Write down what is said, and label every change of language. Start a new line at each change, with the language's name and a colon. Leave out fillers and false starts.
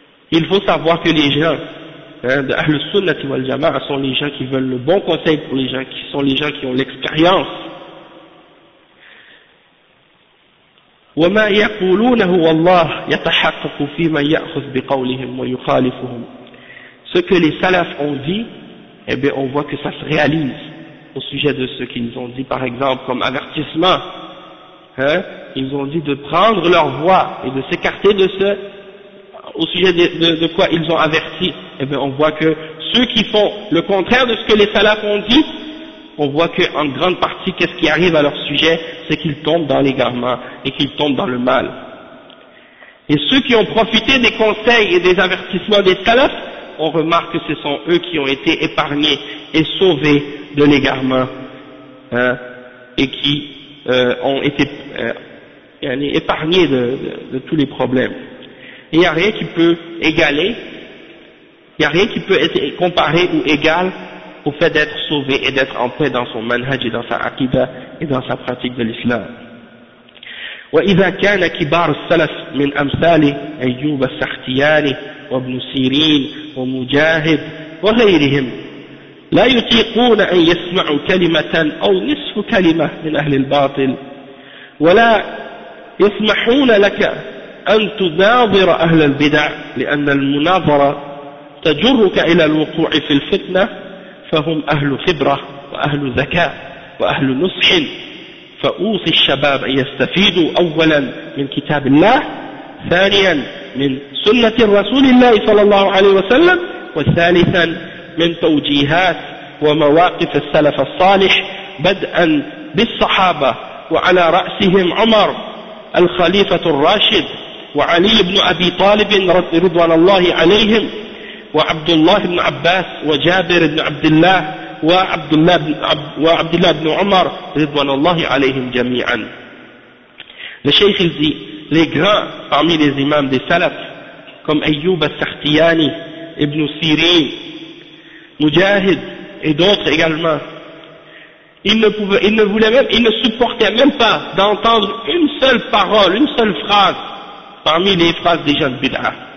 French: Il faut savoir que les gens de Ahl al-Sunnah wal Jama'a sont les gens qui veulent le bon conseil pour les gens, qui sont les gens qui ont l'expérience.
Arabic: وما يقولونه والله يتحقق فيما يأخذ بقولهم ويخالفهم.
French: Ce que les salafs ont dit, eh bien, on voit que ça se réalise au sujet de ce qu'ils ont dit, par exemple, comme avertissement. Hein, ils ont dit de prendre leur voie et de s'écarter de ce, au sujet de quoi ils ont averti. Eh bien, on voit que ceux qui font le contraire de ce que les salafs ont dit, on voit qu'en grande partie, qu'est-ce qui arrive à leur sujet, c'est qu'ils tombent dans l'égarement et qu'ils tombent dans le mal. Et ceux qui ont profité des conseils et des avertissements des salafs, on remarque que ce sont eux qui ont été épargnés et sauvés de l'égarement, hein, et qui ont été épargnés de tous les problèmes. Et il n'y a rien qui peut égaler, il n'y a rien qui peut être comparé ou égal au fait d'être sauvé et d'être en paix dans son manhaj et dans sa aqida et dans sa pratique de l'islam.
Arabic: وإذا كان كبار السلف من أمثال أيوب السختياني وابن سيرين ومجاهد وغيرهم لا يطيقون أن يسمعوا كلمة أو نصف كلمة من أهل الباطل ولا يسمحون لك أن تناظر أهل البدع لأن المناظرة تجرك إلى الوقوع في الفتنة فهم أهل خبرة وأهل ذكاء وأهل نصح فأوصي الشباب أن يستفيدوا أولا من كتاب الله ثانيا من سنة رسول الله صلى الله عليه وسلم وثالثا من توجيهات ومواقف السلف الصالح بدءا بالصحابة وعلى رأسهم عمر الخليفة الراشد وعلي بن أبي طالب رضوان الله عليهم وعبد الله بن عباس وجابر بن عبد الله وعبد الله بن عمر رضوان الله عليهم جميعا. الشيخ الزي
French: les grands parmi les imams des salafs, comme Ayyub al-Sakhtiyani, Ibn Sirin, Mujahid et d'autres également, ils ne supportaient même pas d'entendre une seule parole, une seule phrase parmi les phrases des gens de Bid'a.